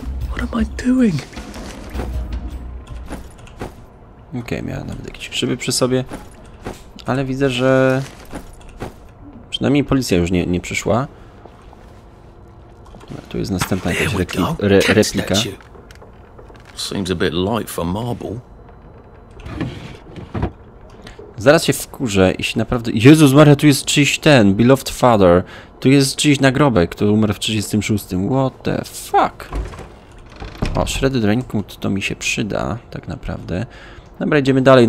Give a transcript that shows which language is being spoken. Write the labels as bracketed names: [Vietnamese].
[English] What am I doing? [Polish] Okej, miałem nawet jakieś krzywy przy sobie. Ale widzę, że przynajmniej policja już nie przyszła. Tu jest następna jakaś replika. [English] Seems a bit light for marble. [Polish] Zaraz się wkurzę, jeśli naprawdę... Jezus Maria, tu jest czyjś ten, Beloved Father. Tu jest czyjś nagrobek, który umarł w 36. [English] What the fuck? [Polish] O, Shredded Raincoat to mi się przyda, tak naprawdę. Dobra, idziemy dalej.